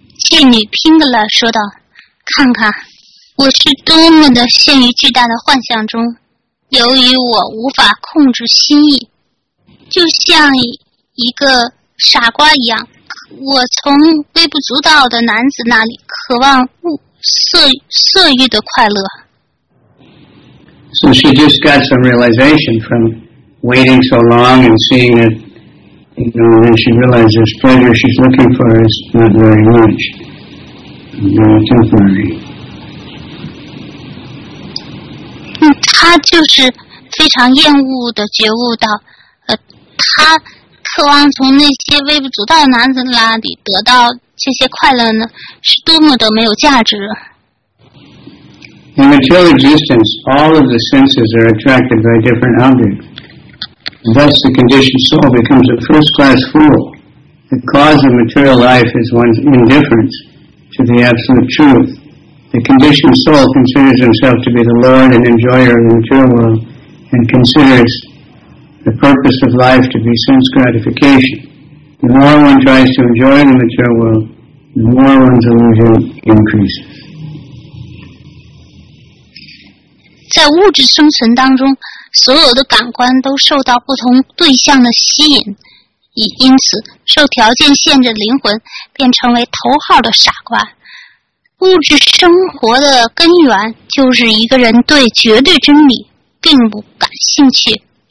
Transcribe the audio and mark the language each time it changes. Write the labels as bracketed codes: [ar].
[zh] 妓女 Pingala 说道，看看我是多么的陷于巨大的幻象中，由于我无法控制心意，就像一个傻瓜一样，我从微不足道的男子那里渴望色欲的快乐。 [en] So she just got some realization from waiting so long and seeing that, you know, when she realizes there's pleasure she's looking for is not very much, very temporary. [zh] 她就是非常厌恶的觉悟到，她渴望从那些微不足道的男子那里得到这些快乐呢，是多么的没有价值。 [en] In material existence, all of the senses are attracted by different objects. Thus, the conditioned soul becomes a first-class fool. The cause of material life is one's indifference to the absolute truth. The conditioned soul considers himself to be the lord and enjoyer of the material world and considers the purpose of life to be sense gratification. The more one tries to enjoy the material world, the more one's illusion increases. [zh] 在物质生存当中，所有的感官都受到不同对象的吸引，因此受条件限制的灵魂便成为头号的傻瓜。物质生活的根源就是一个人对绝对真理并不感兴趣。